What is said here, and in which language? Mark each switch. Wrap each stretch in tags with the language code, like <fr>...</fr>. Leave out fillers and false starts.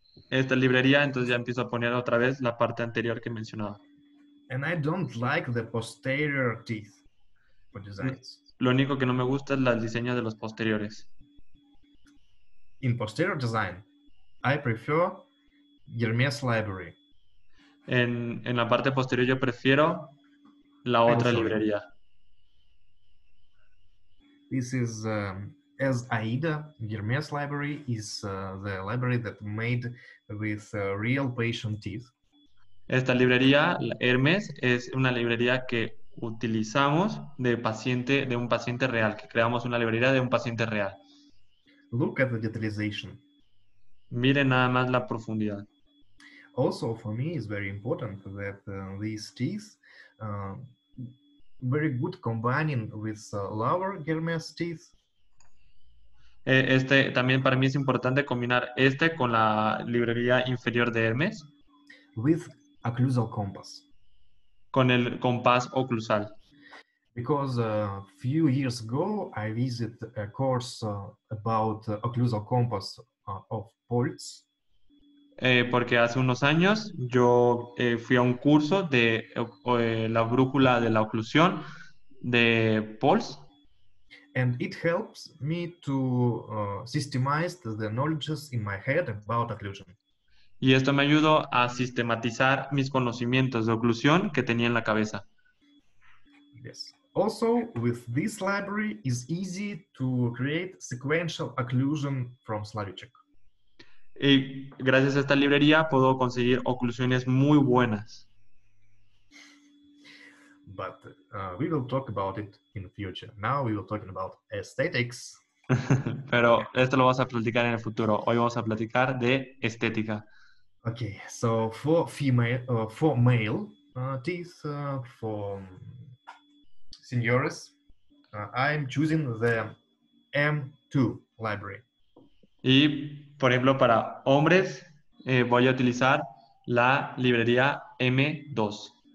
<es>Esta librería, entonces ya empiezo a poner otra vez la parte anterior que mencionaba.</es> <en>And I don't like the posterior teeth for designs.</en> <es>Lo único que no me gusta es el diseño de los posteriores.</es> <en>In posterior design, I prefer Germain's library.</en> <es>En la parte posterior yo prefiero la otra librería.</es> <en>This is as AIDA, Germain's library is the library that made with real patient teeth.</en> <es>Esta librería, Hermes, es una librería que utilizamos de un paciente real, que creamos una librería de un paciente real.</es> <en>Look at the utilization.</en> <es>Miren nada más la profundidad.</es> <en>Also, for me, it's very important that these teeth very good combining with lower Hermes teeth.</en> <es>Este también para mí es importante combinar este con la librería inferior de Hermes.</es> <en>With occlusal compass.</en> <es>Con el compás oclusal.</es> <en>Because a few years ago I visited a course about occlusal compass of Poltz.</en> <es>Porque hace unos años yo fui a un curso de la brújula de la oclusión de Poltz.</es> <en>And it helps me to systemize the knowledge in my head about occlusion.</en> <es>Y esto me ayudó a sistematizar mis conocimientos de oclusión que tenía en la cabeza.</es> <en>Yes. Also, with this library, it's easy to create sequential occlusion from Slavicek.</en> <es>Y gracias a esta librería puedo conseguir oclusiones muy buenas.</es> <en>But we will talk about it in the future. Now we will talk about aesthetics.</en> <es>Pero esto lo vamos a platicar en el futuro. Hoy vamos a platicar de estética.</es> <en>Okay, so for female, for male teeth, for seniors, I'm choosing the M2 library.</en> <es>Y por ejemplo para hombres voy a utilizar la librería M2.</es>